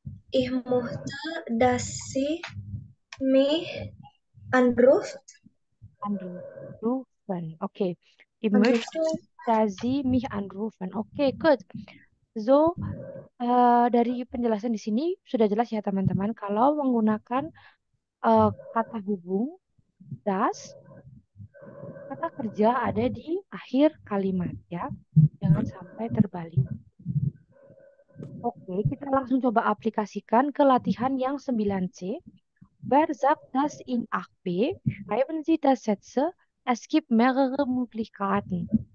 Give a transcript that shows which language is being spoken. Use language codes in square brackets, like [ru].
[de] Ich möchte, dass sie mich anruft. Anrufen. Okay. Ich möchte, dass sie mich anrufen. [en] Okay, good. [id] So, dari penjelasan di sini, sudah jelas ya teman-teman, kalau menggunakan kata hubung, das, kata kerja ada di akhir kalimat ya. Jangan sampai terbalik. Oke, kita langsung coba aplikasikan ke latihan yang 9C. [de] Wer sagt das in 8B? Schreiben Sie das Sätze. Es gibt mehrere Möglichkeiten.